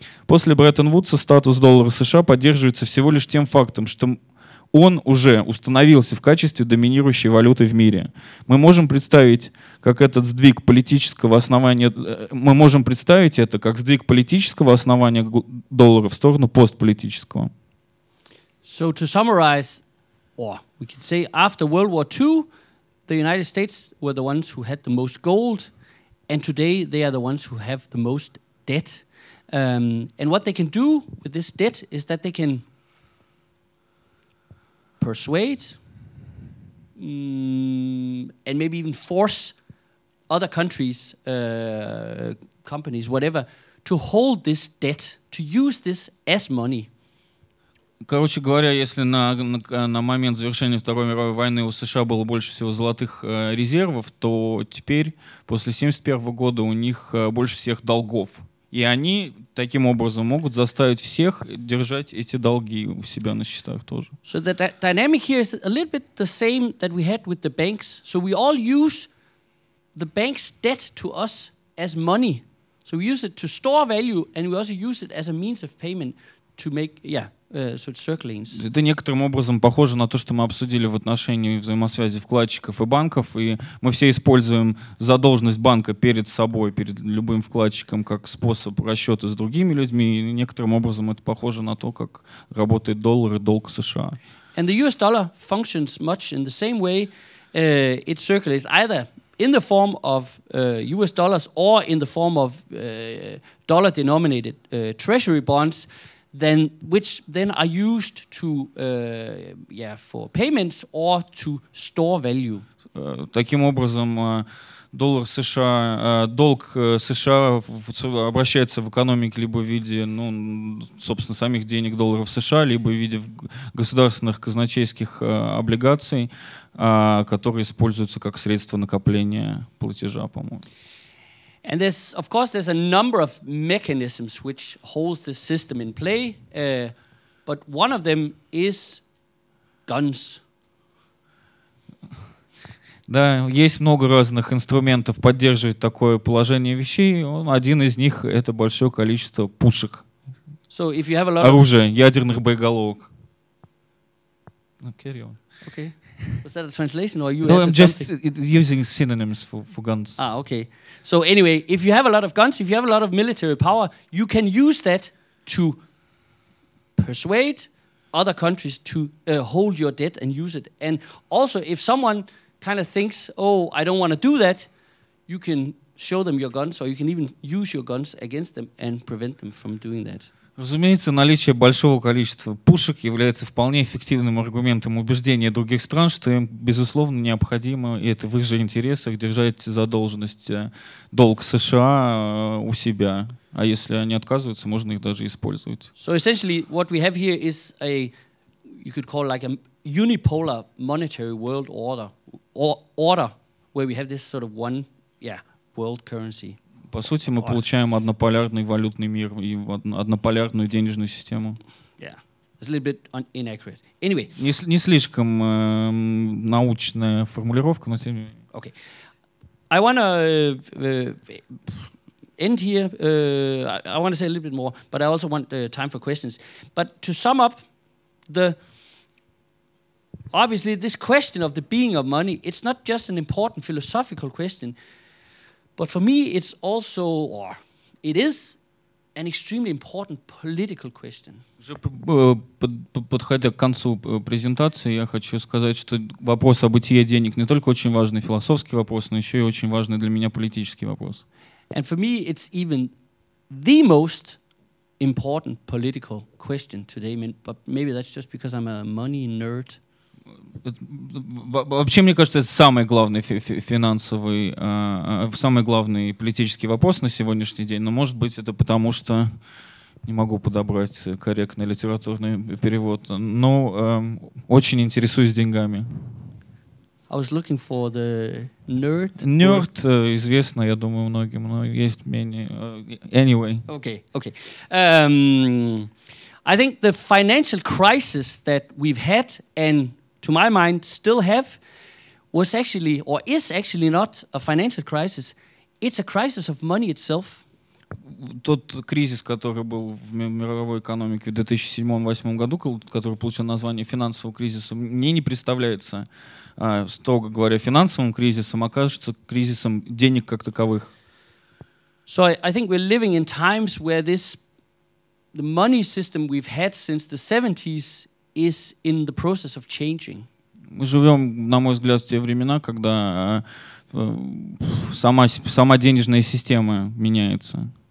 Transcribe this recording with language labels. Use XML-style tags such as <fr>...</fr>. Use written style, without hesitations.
<ru>После Бреттон-Вудса статус доллара США поддерживается всего лишь тем фактом, что он уже установился в качестве доминирующей валюты в мире. Мы можем представить, как этот сдвиг политического основания, мы можем представить это как сдвиг политического основания доллара в сторону постполитического.</ru> <en>So to summarize, or we could say after World War II, the United States were the ones who had the most gold, and today they are the ones who have the most debt. And what they can do with this debt is that they can persuade and maybe even force other countries, companies, whatever, to hold this debt, to use this as money.</en> <ru>Короче говоря, если на момент завершения Второй мировой войны у США было больше всего золотых резервов, то теперь, после 1971 года, у них больше всех долгов. И они таким образом могут заставить всех держать эти долги у себя на счетах тоже.</ru> <en>So the dynamic here is a little bit the same that we had with the banks. So we all use the bank's debt to us as money. So we use it to store value, and we also use it as a means of payment to make, yeah.</en> <ru>Это некоторым образом похоже на то, что мы обсудили в отношении взаимосвязи вкладчиков и банков, и мы все используем задолженность банка перед собой, перед любым вкладчиком, как способ расчета с другими людьми, и некоторым образом это похоже на то, как работает доллар и долг США.</ru> <en>And the US dollar functions much in the same way. It circulates either in the form of US dollars or in the form of dollar-denominated treasury bonds, then which then are used to yeah for payments or to store value.</en> <ru>Таким образом, доллар США, долг США обращается в экономике либо в виде, ну, собственно, самих денег долларов США, либо в виде государственных казначейских облигаций, которые используются как средство накопления платежа, по-моему.</ru> <en>And there's, of course, there's a number of mechanisms which holds the system in play, but one of them is guns.</en> <ru>Да, есть много разных инструментов поддерживать такое положение вещей. Один из них — это большое количество пушек.</ru> <en>So if you have a lot</en> <ru>оружия, ядерных боеголовок.</ru> <en>Okay. Was that a translation, or you? No, I'm just using synonyms for guns. Ah, okay. So anyway, if you have a lot of guns, if you have a lot of military power, you can use that to persuade other countries to hold your debt and use it. And also, if someone kind of thinks, "Oh, I don't want to do that," you can show them your guns, or you can even use your guns against them and prevent them from doing that.</en> <ru>Разумеется, наличие большого количества пушек является вполне эффективным аргументом убеждения других стран, что им, безусловно, необходимо, и это в их же интересах, держать задолженность, долг США у себя. А если они отказываются, можно их даже использовать.</ru> <en>So essentially, what we have here is a, you could call like a unipolar monetary world order, order where we have this sort of one, world currency.</en> <ru>По сути, мы получаем однополярный валютный мир и однополярную денежную систему.</ru> <en>Yeah, it's a little bit inaccurate. Anyway.</en> <ru>Не слишком научная формулировка, но тем не менее.</ru> <en>Okay. I want to end here. I want to say a little bit more, but I also want time for questions. But to sum up, the obviously this question of the being of money, it's not just an important philosophical question. But for me, it's also, or it is, an extremely important political question.</en> <ru>Уже подходя к концу презентации, я хочу сказать, что вопрос о бытии денег не только очень важный философский вопрос, но еще и очень важный для меня политический вопрос.</ru> <en>And for me, it's even the most important political question today. But maybe that's just because I'm a money nerd.</en> <ru>Вообще, мне кажется, это самый главный финансовый, самый главный политический вопрос на сегодняшний день. Но, может быть, это потому, что не могу подобрать корректный литературный перевод. Но очень интересуюсь деньгами.</ru> <en>I was looking for the nerd.</en> <ru>Nerd, известно, я думаю, многим, но есть менее.</ru> <en>Anyway. Okay, okay. I think the financial crisis that we've had and to my mind, still have, was actually, or is actually not a financial crisis. It's a crisis of money itself.</en> <ru>Тот кризис, который был в мировой экономике в 2007-2008 году, который получил название финансового кризиса, мне не представляется, строго говоря, финансовым кризисом, а кажется кризисом денег как таковых.</ru> <en>So I think we're living in times where this, the money system we've had since the 70s is in the process of changing.</en> <ru>Мы живем, на мой взгляд, в те времена, когда сама денежная система меняется.</ru>